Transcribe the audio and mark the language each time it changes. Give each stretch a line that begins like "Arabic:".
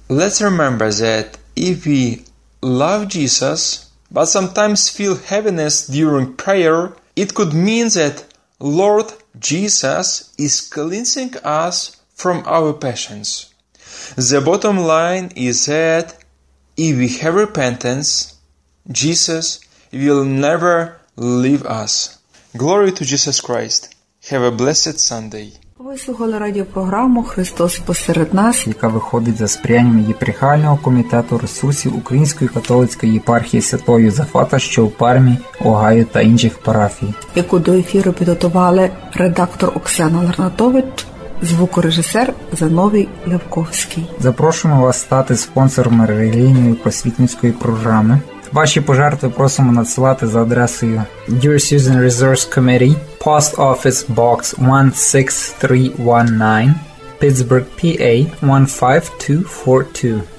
English: Let's remember that if we love Jesus, but sometimes feel heaviness during prayer, it could mean that Lord Jesus is cleansing us from our passions. The bottom line is that if we have repentance, Jesus will never leave us. Glory to Jesus Christ. Have a blessed Sunday.
Ukrainian: Ви слухали радіопрограму «Христос посеред нас», яка виходить за сприянням Єпархіального комітету ресурсів Української католицької єпархії Святої Йозефата, що у Пармі, Огайо та інших парафій, яку до ефіру підготували редактор Оксана Ларнатович, звукорежисер Зановій Левковський. Запрошуємо вас стати спонсором релігійної просвітницької програми. Ваші пожертви просимо надсилати за адресою
English: Dear Susan Resource Committee, Post Office Box 16319, Pittsburgh, PA 15242.